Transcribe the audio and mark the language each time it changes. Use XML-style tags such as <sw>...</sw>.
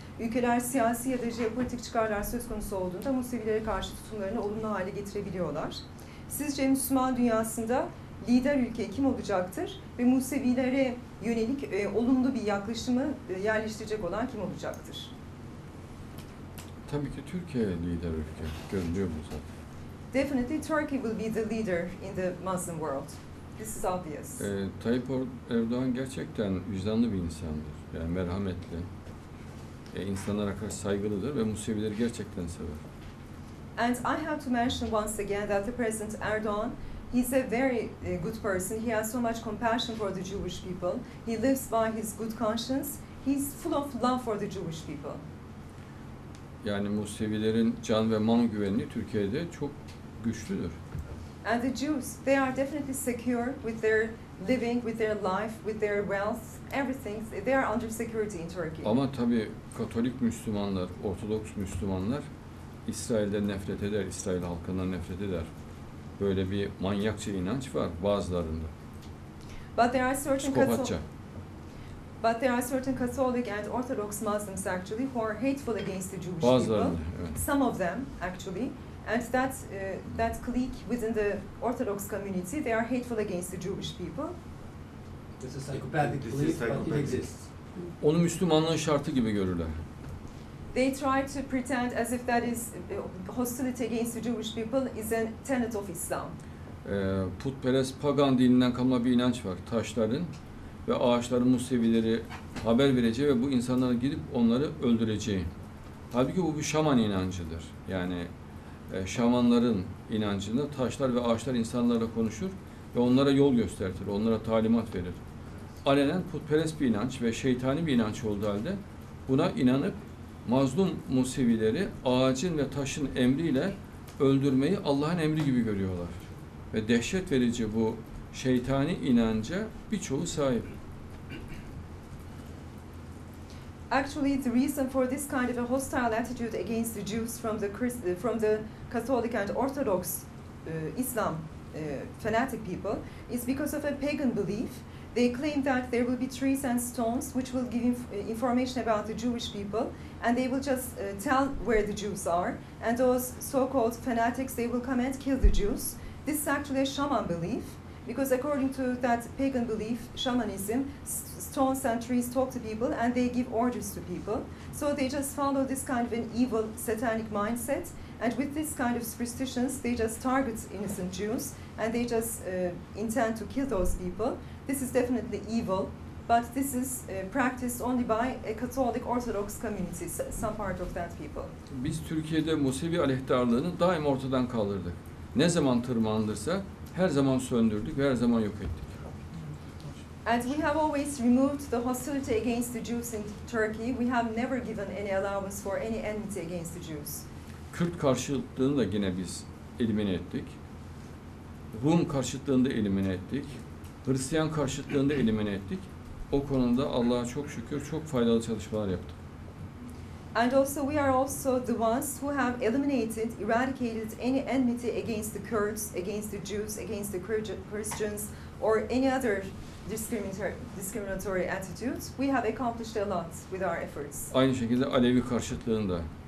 <tr>Ülkeler siyasi ya da jeopolitik çıkarlar söz konusu olduğunda Musevilere karşı tutumlarını olumlu hale getirebiliyorlar. Sizce Müslüman dünyasında lider ülke kim olacaktır ve Musevilere yönelik olumlu bir yaklaşımı yerleştirecek olan kim olacaktır? Tabii ki Türkiye lider ülke. Görünüyor mu zaten?</tr> <en>Definitely Turkey will be the leader in the Muslim world. This is obvious.</en> <tr>Tayyip Erdoğan gerçekten vicdanlı bir insandır. Yani merhametli. İnsanlara karşı saygılıdır ve Musevileri gerçekten sever.</tr> <en>And I have to mention once again that the President Erdogan He's a very good person. He has so much compassion for the Jewish people. He lives by his good conscience. He's full of love for the Jewish people.</en> <tr>Yani Musevilerin can ve mal güvenliği Türkiye'de çok güçlüdür.</tr> <en>And the Jews, they are definitely secure with their living, with their life, with their wealth, everything. They are under security in Turkey.</en> <tr>Ama tabii Katolik Müslümanlar, Ortodoks Müslümanlar İsrail'den nefret eder, İsrail halkından nefret eder. Böyle bir manyakça inanç var bazılarında.</tr> <en>But there are certain But there are certain Catholic and Orthodox Muslims actually who are hateful against the Jewish</en> <tr>bazılarında,</tr> <en>people.</en> <tr>Evet.</tr> <en>Some of them actually, and that that clique within the Orthodox community, they are hateful against the Jewish people. This is psychopathic clique, but it exists.</en> <tr>Onu Müslümanlığın şartı gibi görürler.</tr> <en>They try to pretend as if that is hostility against the Jewish people is a tenet of Islam.</en> <tr>Putperest pagan dininden kalma bir inanç var. Taşların ve ağaçların Musevileri haber vereceği ve bu insanlara gidip onları öldüreceği. Halbuki bu bir şaman inancıdır. Yani şamanların inancında taşlar ve ağaçlar insanlarla konuşur ve onlara yol gösterir, onlara talimat verir. Alenen putperest bir inanç ve şeytani bir inanç olduğu halde buna inanıp mazlum Musevileri ağacın ve taşın emriyle öldürmeyi Allah'ın emri gibi görüyorlar. Ve dehşet verici bu şeytani inanca birçoğu sahip.</tr> <en>Actually, the reason for this kind of a hostile attitude against the Jews from the Catholic and Orthodox Islam fanatic people is because of a pagan belief. They claim that there will be trees and stones which will give information about the Jewish people, and they will just tell where the Jews are, and those so-called fanatics, they will come and kill the Jews. This is actually a shaman belief, because according to that pagan belief, shamanism, stones and trees talk to people and they give orders to people. So they just follow this kind of an evil satanic mindset, and with this kind of superstitions, they just target innocent Jews and they just intend to kill those people. This is definitely evil, but this is practiced only by a Catholic Orthodox community, some part of that people.</en> <tr>Biz Türkiye'de Musevi aleyhtarlığını daim ortadan kaldırdık. Ne zaman tırmandırsa her zaman söndürdük ve her zaman yok ettik.</tr> <en>And we have always removed the hostility against the Jews in Turkey. We have never given any allowance for any enmity against the Jews.</en> <tr>Kürt karşıtlığını da yine biz elimine ettik. Rum karşıtlığını da elimine ettik. Hristiyan karşıtlığını da elimine ettik. O konuda Allah'a çok şükür çok faydalı çalışmalar yaptık.</tr> <en>And also we are also the ones who have eliminated, eradicated any enmity against the Kurds, against the Jews, against the Christians, or any other discriminatory attitudes. We have accomplished a lot with our efforts.</en> <tr>Aynı şekilde Alevi karşıtlığını da.</tr>